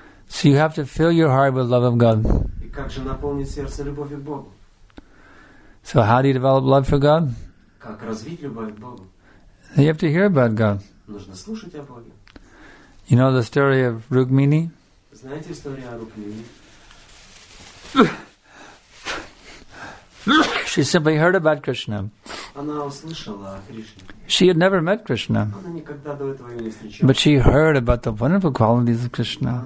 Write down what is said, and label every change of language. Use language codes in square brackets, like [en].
[en] So you have to fill your heart with love of God. [ru] И как же наполнить сердце любовью к Богу? [en] So how do you develop love for God? [ru] Как развить любовь к Богу? [en] You have to hear about God. [ru] Нужно слушать о Боге. [en] You know the story of Rukmini? [ru] Знаете историю о Рукмини? [en] She simply heard about Krishna. [ru] Она услышала о Кришне. [en] She had never met Krishna. [ru] Она никогда до этого не встречала. [en] But she heard about the wonderful qualities of Krishna.